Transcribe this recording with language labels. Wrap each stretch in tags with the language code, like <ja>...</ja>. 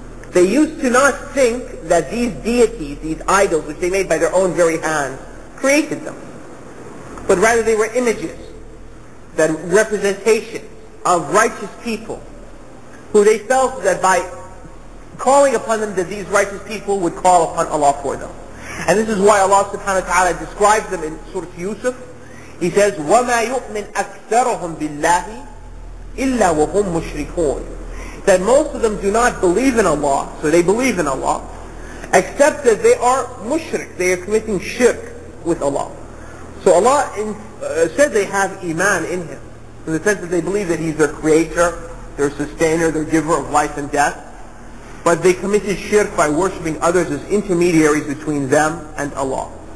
<en>They used to not think that these deities, these idols, which they made by their own very hands, created them. But rather they were images, that representation of righteous people, who they felt that by calling upon them, that these righteous people would call upon Allah for them. And this is why Allah subhanahu wa ta'ala describes them in Surah Yusuf. He says,</en> <ar>وَمَا يُؤْمِنْ أَكْثَرُهُمْ بِاللَّهِ إِلَّا وَهُمْ مُشْرِكُونَ.</ar> <en>That most of them do not believe in Allah, so they believe in Allah, except that they are mushrik, they are committing shirk with Allah. So Allah said they have iman in Him, in the sense that they believe that He's their creator, their sustainer, their giver of life and death, but they committed shirk by worshipping others as intermediaries between them and Allah.</en>